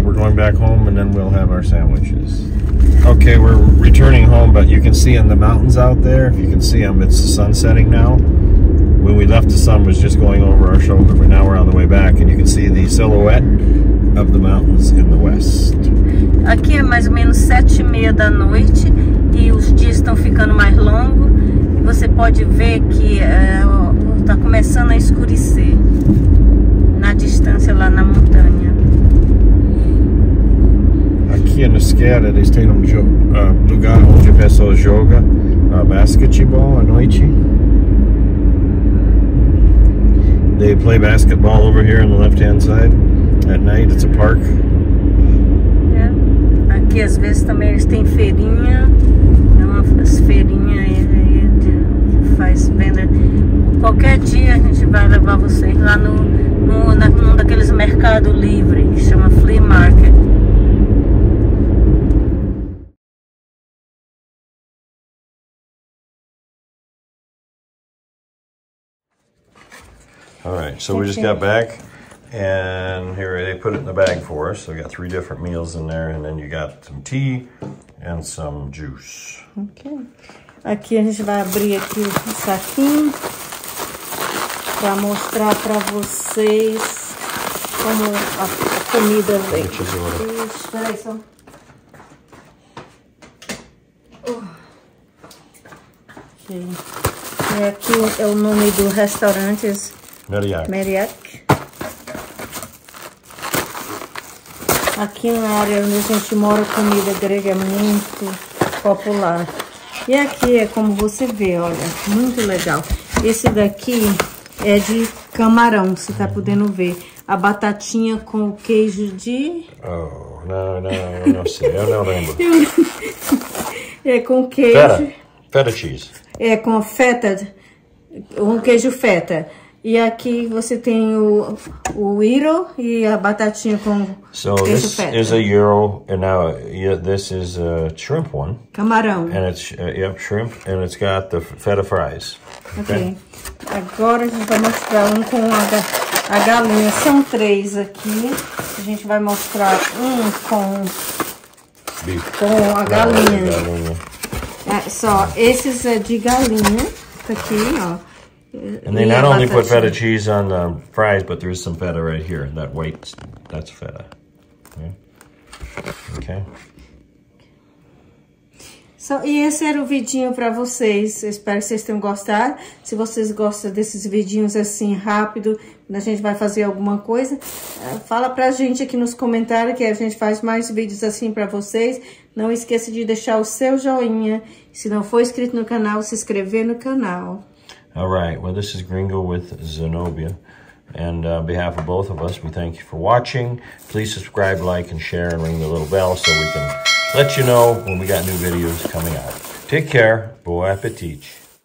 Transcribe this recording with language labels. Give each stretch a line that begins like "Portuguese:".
English: We're going back home and then we'll have our sandwiches. Ok, we're returning home, but you can see in the mountains out there, if you can see them, it's the sun setting now. When we left, the sun was just going over our shoulder, but now we're on the way back and you can see the silhouette of the mountains in the west.
Portuguese: Aqui é mais ou menos 7:30 da noite e os dias estão ficando mais longos. Você pode ver que está começando a escurecer na distância lá na montanha. Aqui na esquerda eles têm lugar onde a pessoa joga basquetebol à noite.
English: They play basketball over here on the left-hand side at night. It's a park.
Portuguese: Yeah. Aqui, às vezes, também eles têm feirinha. É uma feirinha aí que faz venda. Qualquer dia a gente vai levar vocês lá num daqueles mercado livre, que chama Flea Market.
English: All right, so we just got back, and here they put it in the bag for us. So we got three different meals in there, and then you got some tea and some juice. Okay.
Portuguese: Aqui a gente vai abrir aqui o saquinho para mostrar para vocês como a comida vem. Deixa eu ver. Espera aí só. Okay. E aqui é o nome do restaurante. Meriak. Aqui na área onde a gente mora, comida grega é muito popular. E aqui é como você vê, olha, muito legal. Esse daqui é de camarão, você tá podendo ver. A batatinha com queijo de... Não sei, eu não lembro. É com queijo...
English: Feta cheese.
Portuguese: É com feta, um queijo feta. E aqui você tem o gyro e a batatinha com
English: so this
Portuguese: feta.
English: Is a gyro, and now this is a shrimp one.
Portuguese: Camarão.
English: And it's, yep, shrimp, and it's got the feta fries. Okay.
Portuguese: Agora a gente vai mostrar um com a galinha. São três aqui. A gente vai mostrar um com
English: beef.
Portuguese: Com a galinha. Esses é de galinha. Tá aqui, ó.
English: And they not only put feta cheese on the fries, but there's some feta right here. That white, that's feta. Yeah. Okay.
Portuguese: So, e esse era o vidinho para vocês. Espero que vocês tenham gostado. Se vocês gostam desses vidinhos assim, rápido, a gente vai fazer alguma coisa, fala pra gente aqui nos comentários que a gente faz mais vídeos assim para vocês. Não esqueça de deixar o seu joinha. Se não for inscrito no canal, se inscrever no canal.
English: All right, well, this is Gringo with Zenobia, and on behalf of both of us, we thank you for watching. Please subscribe, like, and share, and ring the little bell so we can let you know when we got new videos coming out. Take care. Bon appétit.